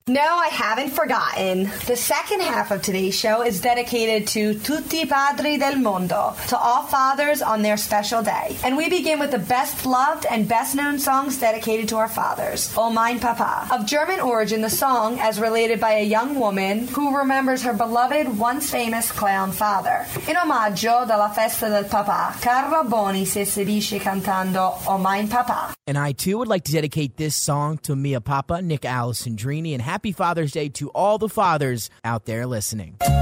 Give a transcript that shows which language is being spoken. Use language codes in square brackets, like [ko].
[en] No, I haven't forgotten. The second half of today's show is dedicated to [it] tutti I padri del mondo, [en] to all fathers on their special day. And we begin with the best loved and best known songs dedicated to our fathers. O mein Papa. Of German origin, the song, as related by a young woman who remembers her beloved, once famous clown father. [it] In omaggio della festa del papà, Carlo Boni si esibisce cantando O mein Papa. [en] And I too would like to dedicate this song to [it] mia papa, [en] Nick Alessandrini, and happy Father's Day to all the fathers out there listening.